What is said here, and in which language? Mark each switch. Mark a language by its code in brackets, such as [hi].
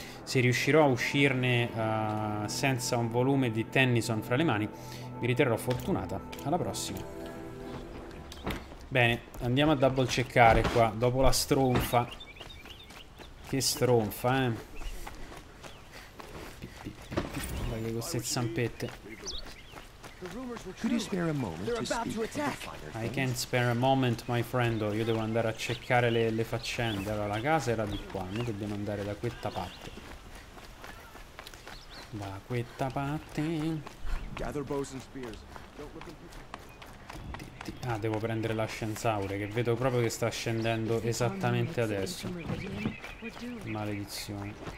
[it] Se riuscirò a uscirne senza un volume di Tennyson fra le mani, mi riterrò fortunata. Alla prossima. Bene, andiamo a double checkare qua, dopo la stronfa. Che stronfa, eh? Guarda che queste zampette. [en] Could you spare a moment to speak to attack? I can't spare a moment, my friend. [it] Io devo andare a cercare le faccende. Allora, la casa era di qua. Noi dobbiamo andare da questa parte. Da questa parte. [en] Gather bows and spears. [it] Ah, devo prendere l'ascensaure, che vedo proprio che sta scendendo esattamente adesso. Maledizione.